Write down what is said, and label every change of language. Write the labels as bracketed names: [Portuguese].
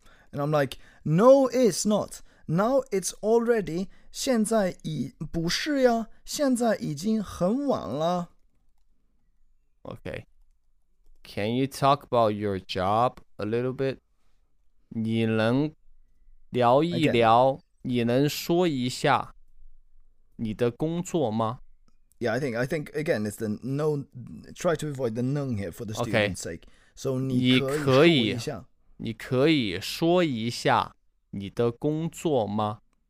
[English] And I'm like, no, it's not. Now it's already [Chinese] 现在已不是呀，现在已经很晚了。 [English] Okay. Can you talk about your job a little bit? [Chinese] 你能聊一 [English] Again. [Chinese] 聊，你能说一下你的工作吗？ [English] Yeah, I think again it's the no try to avoid the nung here for the OK， student's sake. So [Chinese] 你可以说一下。你可以说一下你的工作吗？